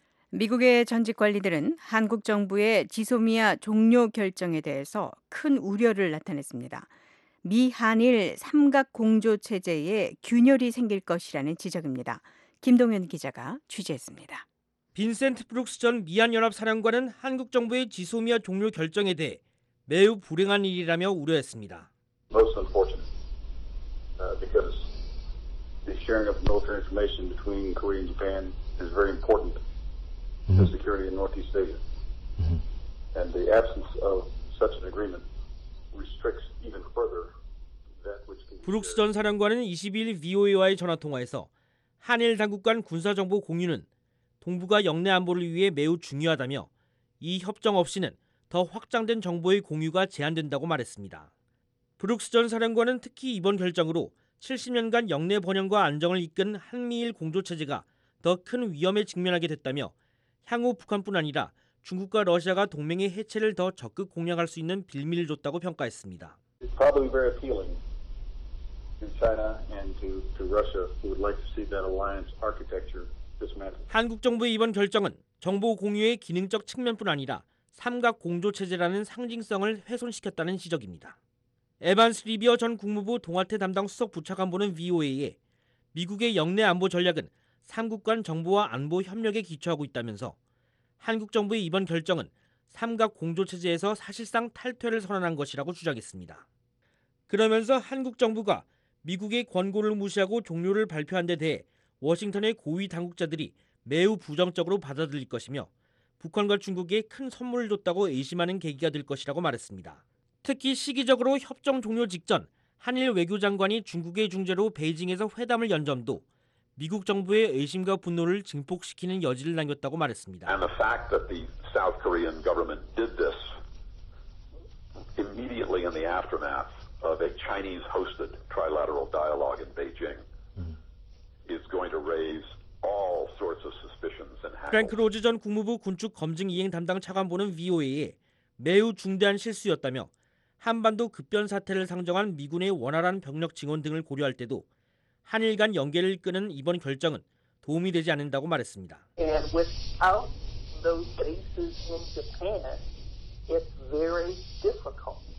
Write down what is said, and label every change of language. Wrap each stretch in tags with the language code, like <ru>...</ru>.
<ko>미국의 전직 관리들은 한국 정부의 지소미아 종료 결정에 대해서 큰 우려를 나타냈습니다. 미 한일 삼각 공조 체제에 균열이 생길 것이라는 지적입니다. 김동현 기자가 취재했습니다. 빈센트 브룩스 전 미한연합사령관은 한국 정부의 지소미아 종료 결정에 대해 매우 불행한 일이라며 우려했습니다.</ko> <en>Most unfortunate because the sharing of military information between Korea and Japan is very important for security in Northeast Asia. And the absence of such an agreement restricts even further that which can be.</en> <ko>브룩스 전 사령관은 22일 VOA와의 전화통화에서 한일 당국 간 군사정보 공유는 동북아 영내 안보를 위해 매우 중요하다며 이 협정 없이는 더 확장된 정보의 공유가 제한된다고 말했습니다. 브룩스 전 사령관은 특히 이번 결정으로 70년간 영내 번영과 안정을 이끈 한미일 공조체제가 더 큰 위험에 직면하게 됐다며 향후 북한뿐 아니라 중국과 러시아가 동맹의 해체를 더 적극 공략할 수 있는 빌미를 줬다고 평가했습니다.</ko> <en>It's probably very appealing in China and to Russia who would like to see that alliance architecture.</en> <ko>한국 정부의 이번 결정은 정보 공유의 기능적 측면뿐 아니라 삼각 공조 체제라는 상징성을 훼손시켰다는 지적입니다. 에반스 리비어 전 국무부 동아태 담당 수석 부차관보는 VOA에 미국의 영내 안보 전략은 삼국 간 정보와 안보 협력에 기초하고 있다면서 한국 정부의 이번 결정은 삼각 공조 체제에서 사실상 탈퇴를 선언한 것이라고 주장했습니다. 그러면서 한국 정부가 미국의 권고를 무시하고 종료를 발표한 데 대해 워싱턴의 고위 당국자들이 매우 부정적으로 받아들일 것이며 북한과 중국에 큰 선물을 줬다고 의심하는 계기가 될 것이라고 말했습니다. 특히 시기적으로 협정 종료 직전 한일 외교장관이 중국의 중재로 베이징에서 회담을 연 점도 미국 정부의 의심과 분노를 증폭시키는 여지를 남겼다고 말했습니다.</ko> <en>And the fact that the South Korean government did this immediately in the aftermath of a Chinese-hosted trilateral dialogue in Beijing.</en> <ko>프랭크 로즈 전 국무부 군축 검증 이행 담당 차관보는 VOA에 매우 중대한 실수였다며 한반도 급변 사태를 상정한 미군의 원활한 병력 증원 등을 고려할 때도 한일 간 연계를 끄는 이번 결정은 도움이 되지 않는다고 말했습니다.</ko> <en>And without those bases in Japan, it's very difficult.</en>